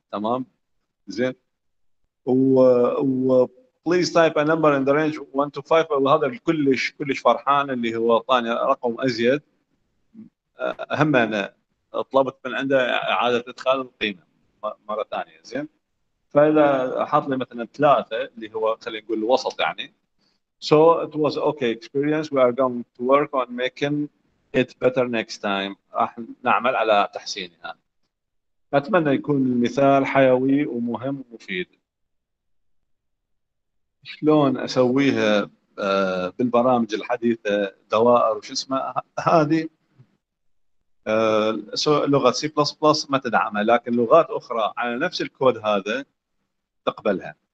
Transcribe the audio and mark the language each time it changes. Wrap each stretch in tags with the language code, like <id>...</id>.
<ar>تمام، زين، و</ar> <en>please type a number in the range 1 to 5،</en> <ar>وهذا كلش كلش فرحان اللي هو اعطاني رقم ازيد. هم انا طلبت من عنده اعاده ادخال القيمه مره ثانيه. زين، فاذا حاط لي مثلا 3 اللي هو خلينا نقول الوسط يعني.</ar> <en>So it was okay experience. We are going to work on making it better next time.</en> <ar>راح نعمل على تحسينها. اتمنى يكون المثال حيوي ومهم ومفيد. شلون اسويها بالبرامج الحديثه دوائر وش اسمها هذه، لغه سي بلس بلس ما تدعمها، لكن لغات اخرى على نفس الكود هذا تقبلها.</ar>